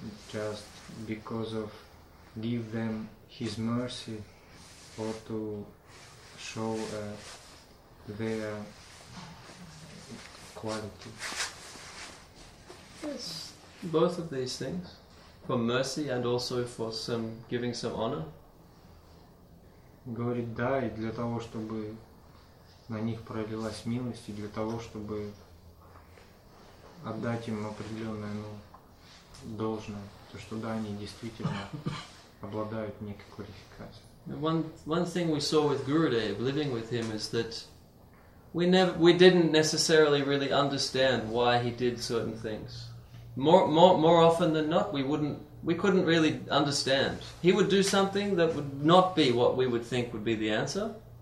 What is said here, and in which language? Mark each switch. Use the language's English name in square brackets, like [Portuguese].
[English] Just because of give them his mercy or to show their quality? Yes, both of these things, for mercy and also for some giving some honor. [Russian] Говорит, да, и для того, чтобы на них пролилась милость, и для того, чтобы отдать им определенное, должное, то что да, они действительно обладают некой квалификацией. [English] One thing we saw with Gurudev, living with him, is that we didn't necessarily really understand why he did certain things. More often than not, we couldn't really understand. He would do something that would not be what we would think would be the answer.